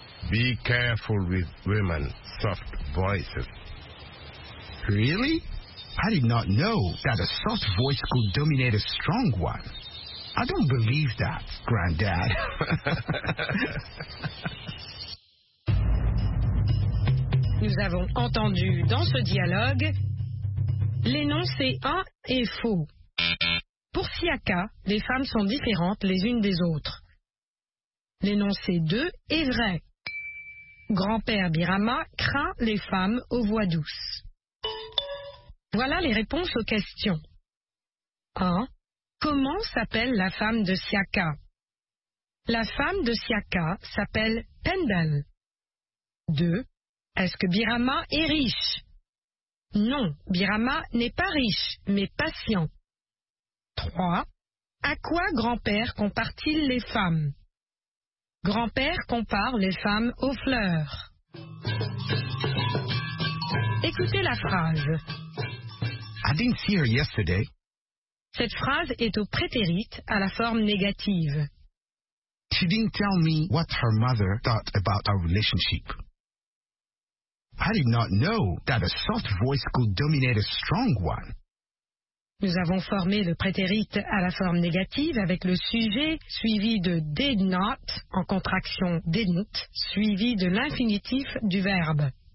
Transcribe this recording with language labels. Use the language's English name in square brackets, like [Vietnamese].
[English] Be careful with women, soft voices. Really? I did not know that a soft voice could dominate a strong one. I don't believe that, Granddad. Listen. [French] Nous avons entendu dans ce dialogue l'énoncé A est faux. Pour Siaka, les femmes sont différentes les unes des autres. L'énoncé 2 est vrai. Grand-père Birama craint les femmes aux voix douces. Voilà les réponses aux questions. 1. Comment s'appelle la femme de Siaka? La femme de Siaka s'appelle Pendel. 2. Est-ce que Birama est riche? Non, Birama n'est pas riche, mais patient. 3. À quoi grand-père compare-t-il les femmes? Grand-père compare les femmes aux fleurs. Écoutez la phrase. [English] I didn't see her yesterday. [French] Cette phrase est au prétérit à la forme négative. [English] She didn't tell me what her mother thought about our relationship. I did not know that a soft voice could dominate a strong one. [French] Nous avons formé le prétérit à la forme négative avec le sujet suivi de did not en contraction didn't suivi de l'infinitif du verbe.